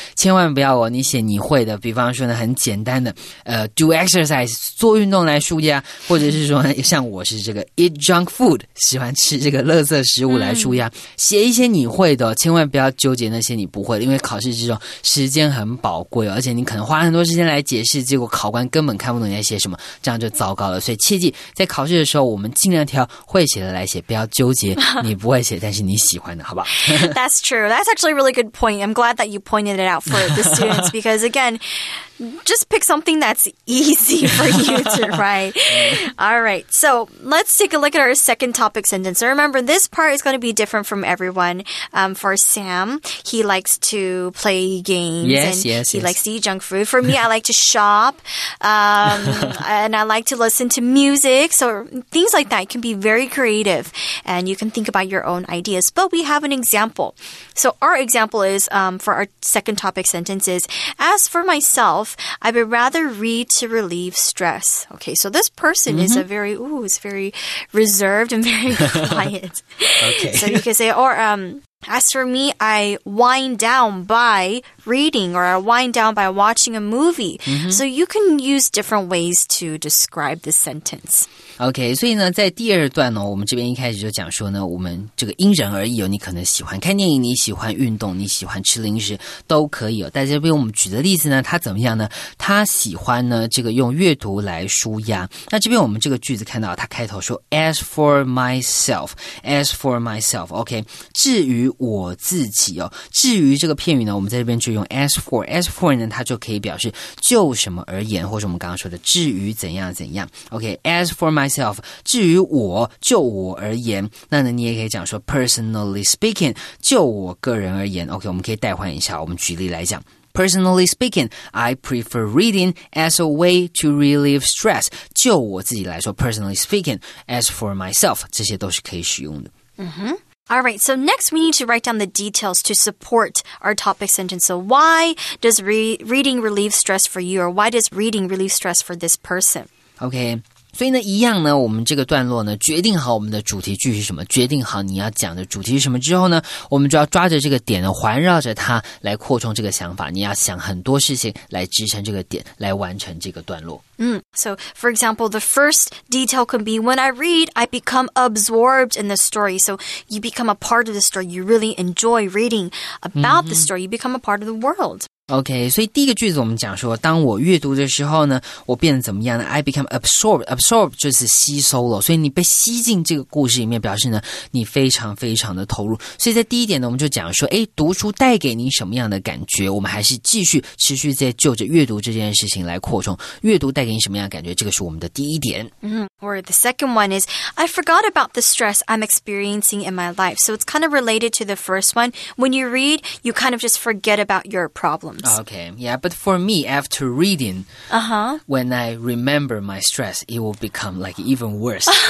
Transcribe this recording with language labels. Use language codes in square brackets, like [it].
[zh] 千万不要哦，你写你会的，比方说呢很简单的 [en] do exercise [zh] 做运动来舒压，或者是说像我是这个 [en] eat junk food [zh] 喜欢吃这个垃圾食物来舒压，写一些你会的，千万不要纠结那些你不会的，因为考试之中时间很宝贵，而且你可能花很多时间来解释，结果考官根本看不懂你在写什么，这样就糟糕了。所以切记在考试的时候我们尽量挑会写的来写，不要纠结你不会写但是你写喜欢的，好吧？ [en] That's true. That's actually a really good point. I'm glad that you pointed it out for the students because, again, just pick something that's easy for you to write. All right. So let's take a look at our second topic sentence. So remember, this part is going to be different from everyone. For Sam, he likes to play games. Yes, he likes to eat junk food. For me, I like to shop. and I like to listen to music. So things like that can be very creative. And you can think about your own ideas. But we have an example. So our example is, for our second topic sentence is, as for myself, I would rather read to relieve stress. Okay, so this person is a very, is very reserved and very quiet. Okay. So you can say, or, as for me, I wind down by reading or I wind down by watching a movie. So you can use different ways to describe the sentence. [zh] OK, 所以呢在第二段呢我们这边一开始就讲说呢，我们这个因人而异哦，你可能喜欢看电影，你喜欢运动，你喜欢吃零食都可以哦。在这边我们举的例子呢，他怎么样呢，他喜欢呢这个用阅读来舒压。那这边我们这个句子看到他开头说 [en] as for myself, [zh] OK, 至于我自己哦，至于这个片语呢我们在这边就用 [en] as for [zh] 呢，它就可以表示就什么而言，或者我们刚刚说的至于怎样怎样。 OK, [en] as for myself, [zh] 至于我，就我而言，那呢你也可以讲说 [en] personally speaking, [zh] 就我个人而言。 OK, 我们可以代换一下，我们举例来讲。 [en] Personally speaking, I prefer reading as a way to relieve stress. [zh] 就我自己来说 [en] personally speaking, as for myself, [zh] 这些都是可以使用的。 [en] All right, so next we need to write down the details to support our topic sentence. So why does reading relieve stress for you, or why does reading relieve stress for this person? Okay. [zh] 所以呢一样呢我们这个段落呢决定好我们的主题句是什么决定好你要讲的主题是什么之后呢我们就要抓着这个点呢环绕着它来扩充这个想法你要想很多事情来支撑这个点来完成这个段落。 [en] So, for example, the first detail can be when I read, I become absorbed in the story. So, you become a part of the story. You really enjoy reading about the story. You become a part of the world. [zh] OK, 所以第一个句子我们讲说当我阅读的时候呢我变得怎么样呢 [en] I become absorbed [zh] 就是吸收了所以你被吸进这个故事里面表示呢你非常非常的投入所以在第一点呢我们就讲说诶读书带给你什么样的感觉我们还是继续持续在就着阅读这件事情来扩充阅读带给你什么样的感觉这个是我们的第一点、 [en] Or the second one is I forgot about the stress I'm experiencing in my life So it's kind of related to the first one When you read, you kind of just forget about your problem Okay, yeah, but for me, after reading, when I remember my stress, it will become like even worse.